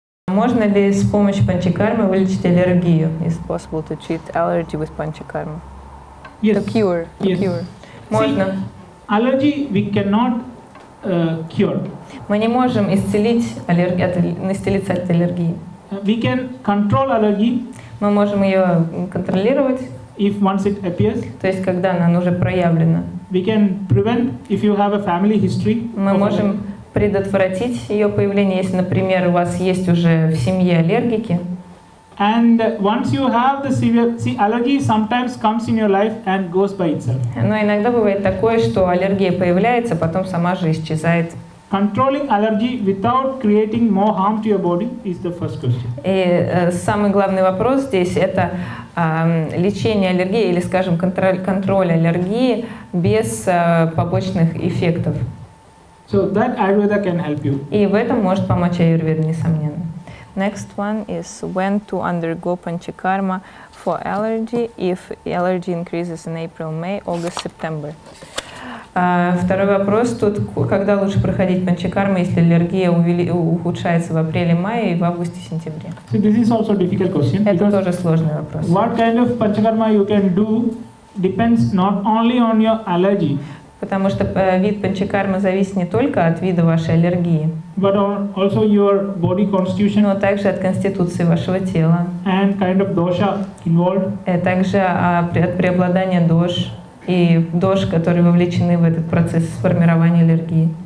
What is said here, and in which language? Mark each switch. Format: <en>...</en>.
<ru>Можно ли с помощью панчакармы вылечить аллергию?</ru> <en>Is it possible to treat allergy with panchakarma? Yes. The cure.</en> <ru>Можно.</ru> <en>See, allergy we cannot cure.</en> <ru>Мы не можем исцелиться от аллергии.</ru> <en>We can control allergy.</en> <ru>Мы можем ее контролировать.</ru> <en>If once it appears.</en> <ru>То есть когда она уже проявлена.</ru> <en>We can prevent if you have a family history.</en> <ru>Мы можем предотвратить ее появление, если, например, у вас есть уже в семье аллергики.</ru> <en>And once you have the severe, see, allergy sometimes comes in your life and goes by itself.</en> <ru>Но иногда бывает такое, что аллергия появляется, потом сама же исчезает.</ru> <en>Controlling allergy without creating more harm to your body is the first question.</en> <ru>И самый главный вопрос здесь – это лечение аллергии или, скажем, контроль аллергии без побочных эффектов.</ru> <en>So that Ayurveda can help you.</en> <ru>И в этом может помочь Аюрведа, несомненно.</ru> <en>Next one is when to undergo panchakarma for allergy if allergy increases in April, May, August, September.</en> <ru>Второй вопрос тут, когда лучше проходить панчакарму, если аллергия ухудшается в апреле, мае и в августе, сентябре.</ru> <en>So this is also a difficult question.</en> <ru>Это тоже сложный вопрос.</ru> <en>What kind of panchakarma you can do depends not only on your allergy.</en> <ru>Потому что вид панчакармы зависит не только от вида вашей аллергии,</ru> <en>but also your body constitution,</en> <ru>но также от конституции вашего тела.</ru> <en>And kind of dosha involved.</en> <ru>Также от преобладания дош. И дош, которые вовлечены в этот процесс формирования аллергии.</ru>